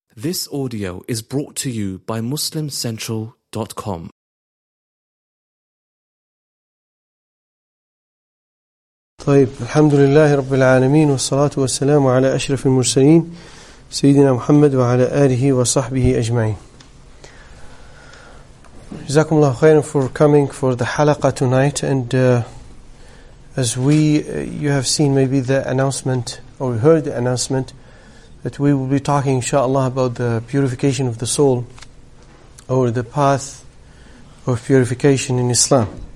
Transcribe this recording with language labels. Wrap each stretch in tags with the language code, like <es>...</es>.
<en>This audio is brought to you by MuslimCentral.com.</en> <ar>طيب الحمد لله رب العالمين والصلاة والسلام على أشرف المرسلين سيدنا محمد وعلى آله وصحبه أجمعين. جزاكم الله خيرا</ar> <en>for coming for the halaqa tonight and you have seen maybe the announcement or heard the announcement that we will be talking, inshallah, about the purification of the soul or the path of purification in Islam.</en>